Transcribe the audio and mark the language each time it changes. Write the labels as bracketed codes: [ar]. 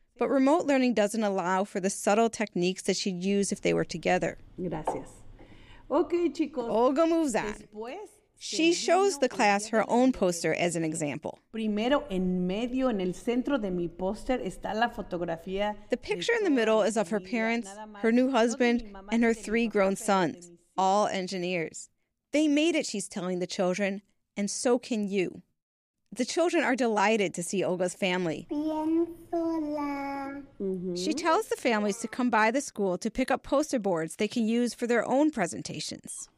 [en] But remote learning doesn't allow for the subtle techniques that she'd use if they were together. [es] Gracias. Okay, chicos. [en] Olga moves on. She shows the class her own poster as an example. [es] Primero, en medio, en el centro de mi poster, está la fotografía. [en] The picture in the middle is of her parents, her new husband, and her 3 grown sons, all engineers. They made it, she's telling the children, and so can you. The children are delighted to see Olga's family. [es] Bien sola. [en] She tells the families to come by the school to pick up poster boards they can use for their own presentations.